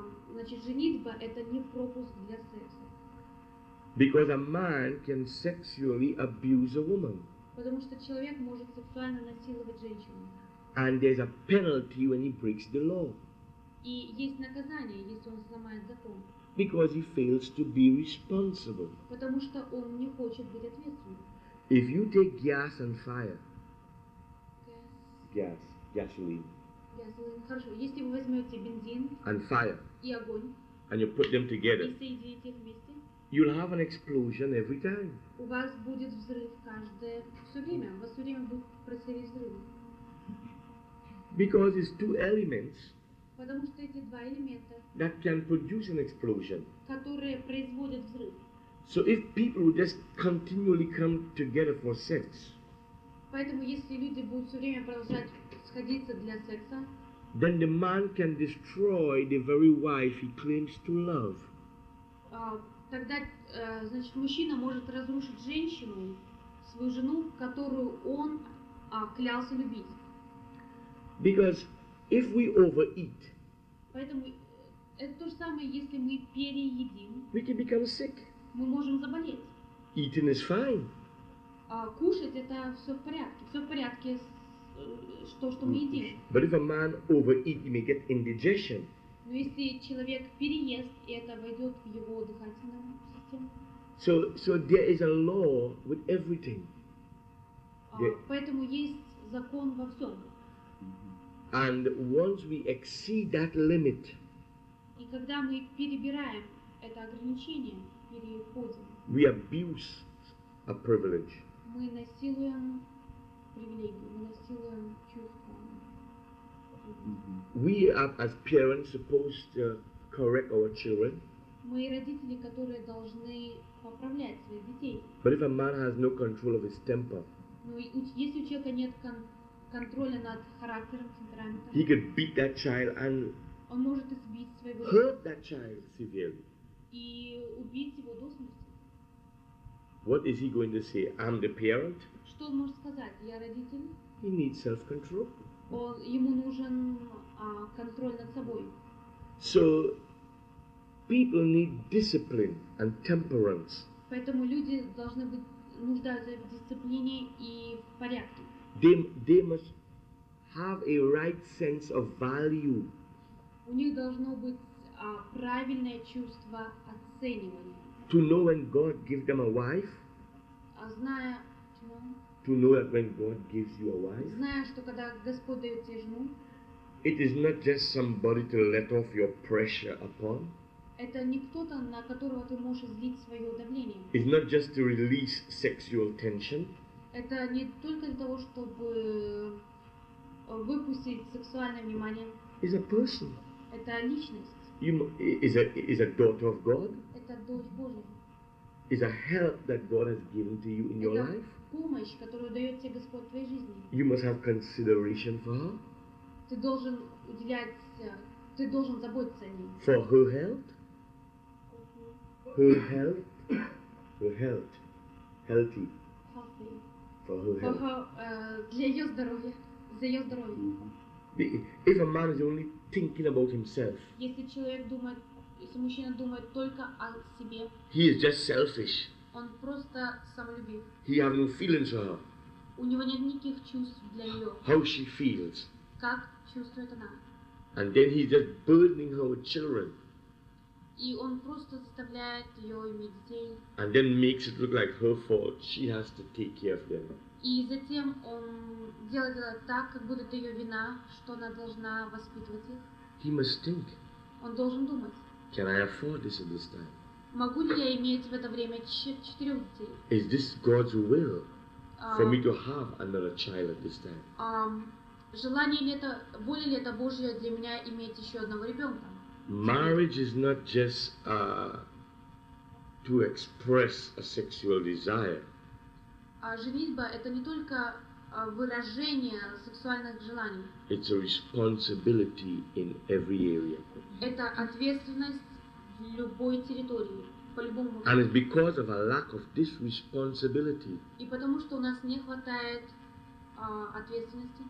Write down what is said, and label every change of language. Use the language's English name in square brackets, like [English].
[Russian] Значит, женитьба – это не пропуск для секса. [English] Because a man can sexually abuse a woman. [Russian] Потому что человек может сексуально насиловать женщину. [English] And there's a penalty when he breaks the law. [Russian] И есть наказание, если он сломает закон. [English] Because he fails to be responsible. [Russian] Потому что он не хочет быть ответственным. [English] If you take gas and fire. Gasoline. Gasoline. [Russian] Хорошо. Если вы возьмете бензин. [English] And fire. [Russian] И огонь. [English] And you put them together. [Russian] И соедините вместе. [English] You'll have an explosion every time. [Russian] У вас будет взрыв каждое все время. У вас все время будет происходить взрыв. [English] Because it's two elements. [Russian] Потому что эти два элемента. [English] That can produce an explosion. [Russian] Которые производят взрыв. [English] So if people would just continually come together for sex. [Russian] Поэтому если люди будут все время продолжать сходиться для секса. [English] Then the man can destroy the very wife he claims to love. [Russian] Тогда, значит, мужчина может разрушить женщину, свою жену, которую он клялся любить. [English] Because if we overeat. [Russian] Поэтому это то же самое, если мы переедим. [English] We can become sick. [Russian] Мы можем заболеть. [English] Eating is fine. [Russian] Кушать это все в порядке. Все в порядке с что мы едим. [English] But if a man overeat, he may get indigestion. [Russian] Но если человек переест, и это войдет в его дыхательную систему. [English] So there is a law with everything. [Russian] Поэтому есть закон во всем. [English] And once we exceed that limit. [Russian] И когда мы перебираем это ограничение, переходим. [English] We abuse a privilege. [Russian] Мы насилуем привилегию, мы насилуем чувство. [English] We are, as parents, supposed to correct our children. [Russian] Мы родители, которые должны поправлять своих детей. [English] But if a man has no control of his temper. [Russian] Но если у человека нет контроля над характером, темпераментом. [English] He could beat that child and. [Russian] Он может избить своего ребенка. [English] Hurt that child severely. [Russian] И убить его до смерти. [English] What is he going to say? I'm the parent. [Russian] Что он может сказать? Я родитель. [English] He needs self-control. [Russian] Ему нужен контроль над собой. [English] So people need discipline and temperance. [Russian] Поэтому люди должны быть нуждаются в дисциплине и в порядке. [English] They must have a right sense of value. [Russian] У них должно быть правильное чувство оценивания. [English] To know when God gives them a wife. [Russian] Зная. [English] To know that when God gives you a wife. [Russian] Зная, что когда Господь дает тебе жену. [English] It is not just somebody to let off your pressure upon. [Russian] Это не кто-то, на которого ты можешь излить свое давление. [English] It's not just to release sexual tension. [Russian] Это не только для того, чтобы выпустить сексуальное внимание. [English] It's a person. [Russian] Это личность. [English] Is a daughter of God. [Russian] Это дочь Божия. [English] Is a help that God has given to you in your life. [Russian] Помощь, которую дает тебе Господь в твоей жизни. [English] You must have consideration for her. [Russian] Ты должен уделять, ты должен заботиться о ней. [English] For her health. Her health. Her health. Healthy. For her health. [Russian] Для ее здоровья. За ее здоровье. [English] If a man is only thinking about himself. [Russian] Если человек думает, если мужчина думает только о себе. [English] He is just selfish. [Russian] Он просто самолюбив. [English] He has no feelings for her. [Russian] У него нет никаких чувств для нее. [English] How she feels. [Russian] Как чувствует она. [English] And then he's just burdening her with children. [Russian] И он просто заставляет ее иметь детей. [English] And then makes it look like her fault. She has to take care of them. [Russian] И затем он делает это так, как будто это ее вина, что она должна воспитывать их. [English] He must think. [Russian] Он должен думать. [English] Can I afford this at this time? [Russian] Могу ли я иметь в это время 4 детей? [English] Is this God's will for me to have another child at this time? [Russian] Желание ли это, воля ли это Божья для меня иметь еще одного ребенка? [English] Marriage is not just to express a sexual desire. [Russian] Женитьба это не только выражение сексуальных желаний. [English] It's a responsibility in every area. [Russian] Это ответственность. Любой территории, по любому. [English] And it's because of a lack of this responsibility. [Russian] И потому что у нас не хватает ответственности.